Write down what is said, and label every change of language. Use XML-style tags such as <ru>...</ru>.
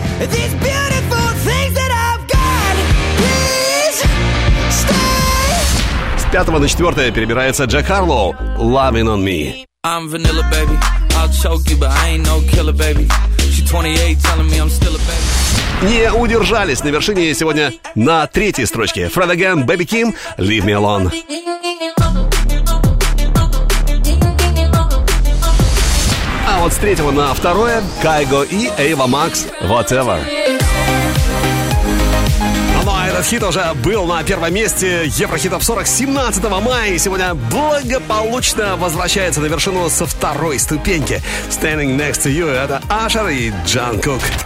<en>These beautiful things that I've got. Please stay.</en> <ru>С пятого на четвертое перебирается Джек Харлоу.</ru> <en>Loving on me. I'm vanilla, baby. I'll choke you, but I ain't no killer, baby. She's 28, telling me I'm still a baby.</en> <ru>Не удержались на вершине сегодня на третьей строчке.</ru> <en>Fred Again, Baby Kim, Leave Me Alone.</en> <ru>А вот с третьего на второе Кайго и Ava Max, Whatever. Ну, а этот хит уже был на первом месте Еврохитов 40 17 мая и сегодня благополучно возвращается на вершину со второй ступеньки. Standing next to you — это Usher и Jungkook.</ru>